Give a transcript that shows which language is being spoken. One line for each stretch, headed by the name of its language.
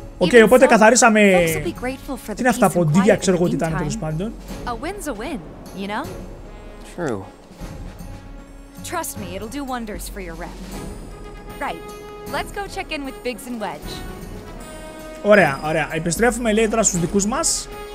Greek: Okay, οπότε καθαρίσαμε. Τι είναι αυτά, ποντίκια, ξέρω εγώ τι ήταν, τέλος πάντων.
English: A win's a win, you know? True. Trust me, it'll do wonders for your rep. Right. Let's go check in with Biggs and Wedge.
Greek: Ωραία, ωραία. Επιστρέφουμε λέει τώρα στους δικούς μας.